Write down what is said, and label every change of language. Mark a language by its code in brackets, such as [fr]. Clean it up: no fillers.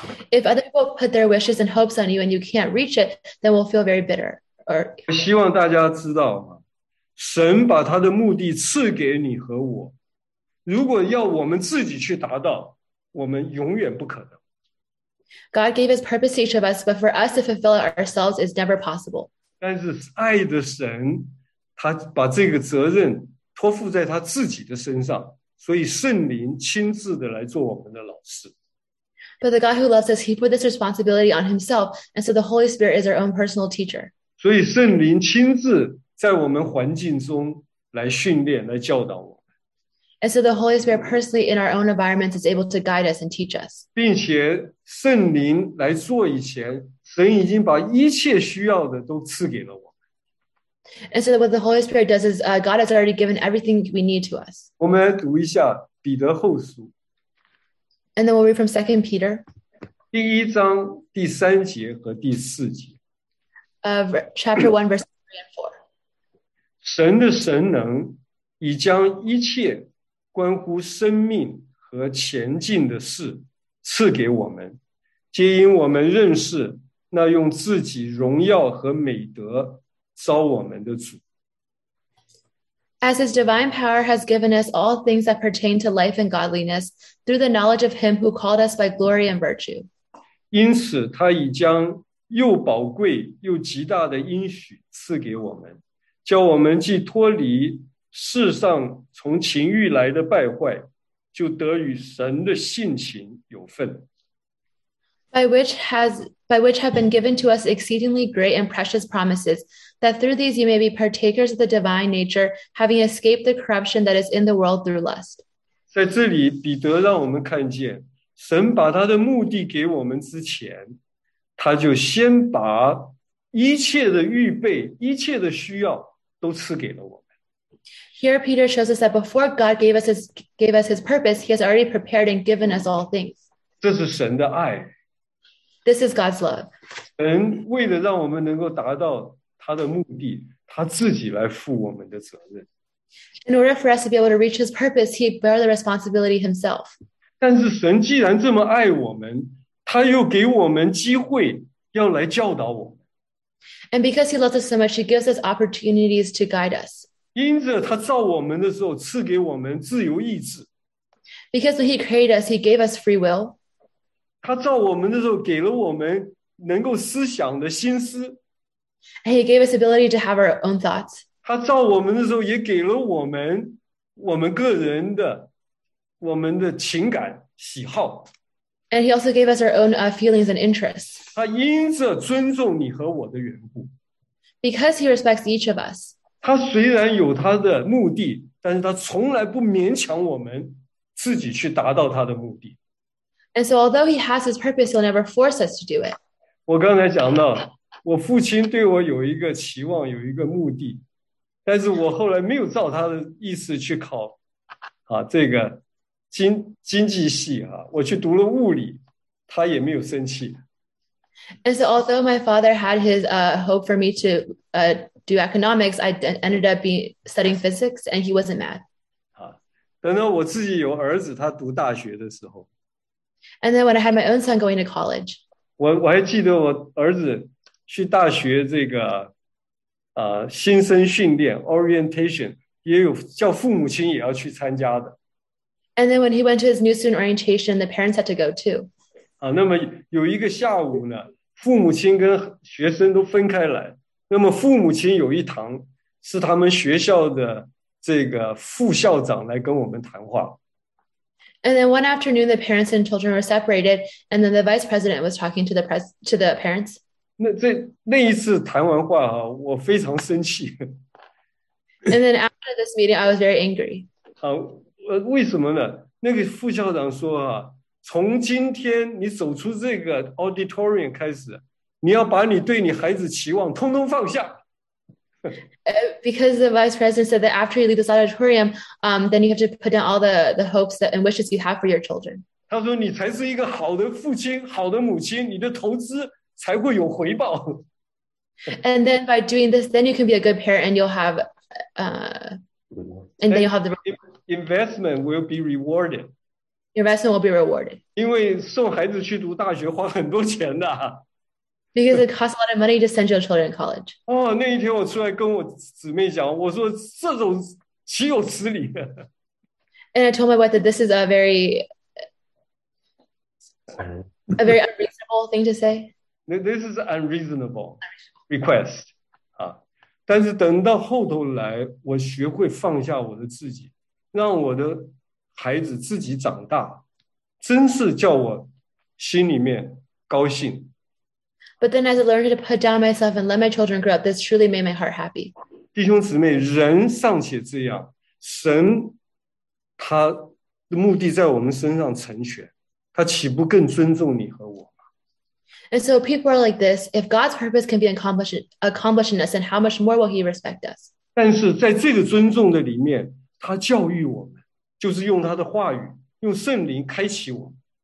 [en] If other people put their wishes and hopes on you and you can't reach it, then we'll feel very bitter. [zh] 我希望大家知道，神把他的目的赐给你和我，如果要我们自己去达到，我们永远不可能。 [en] God gave his purpose to each of us, but for us to fulfill it ourselves is never possible. [zh] 但是爱的神，他把这个责任托付在他自己的身上，所以圣灵亲自的来做我们的老师。 [en] But the God who loves us, he put this responsibility on himself, and so the Holy Spirit is our own personal teacher. [zh] 所以圣灵亲自在我们环境中来训练，来教导我们。 [en] And so the Holy Spirit personally in our own environments is able to guide us and teach us. [zh] 并且圣灵来做以前，神已经把一切需要的都赐给了我们。 [en] And so what the Holy Spirit does is God has already given everything we need to us. [zh] 我们来读一下彼得后书。 [en] And then we'll read from 2 Peter. [zh] 第一章第三节和第四节。 [en] Chapter 1 verse 3 and 4. [zh] 神的神能已将一切关乎生命和前进的事赐给我们，皆因我们认识那用自己荣耀和美德召我们的主。 [en] As his divine power has given us all things that pertain to life and godliness through the knowledge of him who called us by glory and virtue. [zh] 因此他已将又宝贵又极大的应许赐给我们，叫我们既脱离世上从情欲来的败坏，就得与神的性情有份。 [en] by which have been given to us exceedingly great and precious promises, that through these you may be partakers of the divine nature, having escaped the corruption that is in the world through lust. [zh] 在这里，彼得让我们看见，神把他的目的给我们之前，他就先把一切的预备、一切的需要都赐给了我们。 [en] Here, Peter shows us that before God gave us his purpose, He has already prepared and given us all things. [zh] 这是神的爱。 [en] This is God's love. [zh] 神为了让我们能够达到他的目的，他自己来负我们的责任。 [en] In order for us to be able to reach his purpose, he bore the responsibility himself. [zh] 但是神既然这么爱我们，他又给我们机会要来教导我们。 [en] And because he loves us so much, he gives us opportunities to guide us. [zh] 因着他造我们的时候，赐给我们自由意志。 [en] Because when he created us, he gave us free will. [zh] 他造我们的时候，给了我们能够思想的心思。 [en] And he gave us ability to have our own thoughts. [zh] 他造我们的时候，也给了我们我们个人的我们的情感喜好。 [en] And he also gave us our own feelings and interests. [zh] 他因着尊重你和我的缘故。 [en] Because he respects each of us. [zh] 他虽然有他的目的，但是他从来不勉强我们自己去达到他的目的。 [en] And so although he has his purpose, he'll never force us to do it. [zh] 我刚才讲到，我父亲对我有一个期望，有一个目的。但是我后来没有照他的意思去考，啊，这个经济系啊，我去读了物理，他也没有生气。 [en] And so, although my father had his hope for me to do economics, I ended up studying physics, and he wasn't mad. [zh] 啊，等到我自己有儿子，他读大学的时候。 [en] And then when I had my own son going to college. [zh] 我还记得我儿子去大学这个。新生训练 orientation 也有叫父母亲也要去参加的。 [en] And then when he went to his new student orientation, the parents had to go too. [zh] 那么有一个下午呢，父母亲跟学生都分开来。那么父母亲有一堂是他们学校的这个副校长来跟我们谈话。 [en] And then one afternoon, the parents and children were separated, and then the vice president was talking to the parents. [zh] 那一次谈完话啊，我非常生气。 [en] And then after this meeting, I was very angry. [zh] 为什么呢？那个副校长说啊，从今天你走出这个 auditorium 开始，你要把你对你孩子期望通通放下。 [en] Because the vice president said that after you leave this auditorium, then you have to put down all the hopes and wishes you have for your children. [zh] 他说你才是一个好的父亲，好的母亲，你的投资。才会有回报。 [en] And then by doing this, then you can be a good parent, and you'll have, and then you'll have the investment will be rewarded. Investment will be rewarded. [zh] 因为送孩子去读大学花很多钱的。 [en] Because it costs a lot of money to send your children to college. [zh] 那一天我出来跟我姊妹讲，我说这种岂有此理。 [en] And I told my wife that this is a very unreasonable thing to say. This is unreasonable request. [zh] 但是等到后头来，我学会放下我的自己，让我的孩子自己长大，真是叫我心里面高兴。 [en] But then as I learned to put down myself and let my children grow up, this truly made my heart happy. [zh] 弟兄姊妹，人尚且这样，神他的目的在我们身上成全，他岂不更尊重你和我？ [en] And so people are like this, if God's purpose can be accomplished in us, then how much more will he respect us? [zh] 但是在这个尊重的里面，他教育我们，就是用他的话语，用圣灵开启我们。